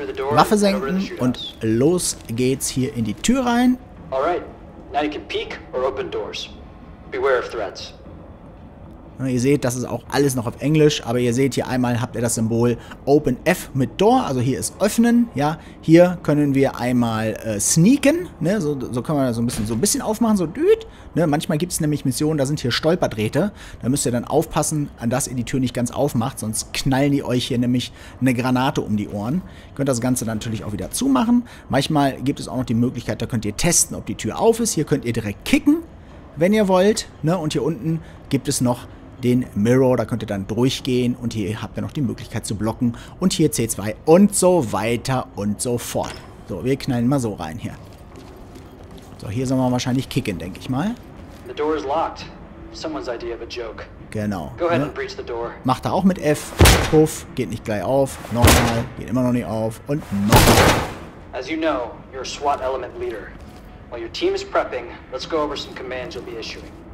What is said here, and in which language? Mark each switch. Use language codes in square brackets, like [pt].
[de] Waffe senken und los geht's hier in die Tür rein. [en] Alright, now you can peek or open doors. Beware of threats. [de] Ihr seht, das ist auch alles noch auf Englisch, aber ihr seht hier einmal, habt ihr das Symbol Open F mit Door, also hier ist Öffnen, ja, hier können wir einmal sneaken, ne, so können wir so ein bisschen aufmachen, so düt, ne, manchmal gibt es nämlich Missionen, da sind hier Stolperdrähte, da müsst ihr dann aufpassen, an dass ihr die Tür nicht ganz aufmacht, sonst knallen die euch hier nämlich eine Granate um die Ohren. Ihr könnt das Ganze dann natürlich auch wieder zumachen, manchmal gibt es auch noch die Möglichkeit, da könnt ihr testen, ob die Tür auf ist, hier könnt ihr direkt kicken, wenn ihr wollt, ne, und hier unten gibt es noch den Mirror, da könnt ihr dann durchgehen und hier habt ihr noch die Möglichkeit zu blocken und hier C2 und so weiter und so fort. So, wir knallen mal so rein hier. So, hier sollen wir wahrscheinlich kicken, denke ich mal. [en] The door is locked. Someone's idea of a joke. [de] Genau. [en] Go ahead and breach the door. [de] Macht er auch mit F. Puff, geht nicht gleich auf. Nochmal, geht immer noch nicht auf. Und nochmal. [en] As you know, you're a SWAT element leader. While your team is prepping, let's go over some commands you'll be issuing.